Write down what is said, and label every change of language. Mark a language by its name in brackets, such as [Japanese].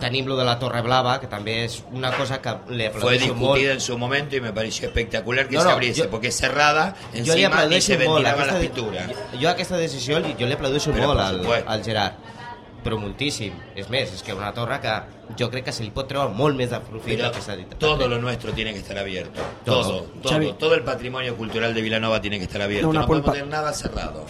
[Catalan] Tenim lo de la Torre Blava, que també és una cosa que li aplaudeixo [Spanish] molt. Fue discutida [Catalan] molt [Spanish] en su momento y me pareció espectacular que s'abriese, porque es cerrada, encima, y se vendirá las pinturas. [Catalan] Jo aquesta decisió li aplaudeixo molt al Gerard. però moltíssim. És més, és que una torre que jo crec que se li pot treure molt més de profit del que s'ha dit. [Spanish] Todo lo nuestro tiene que estar abierto. Todo el patrimonio cultural de Vilanova tiene que estar abierto. No podemos tener nada cerrado.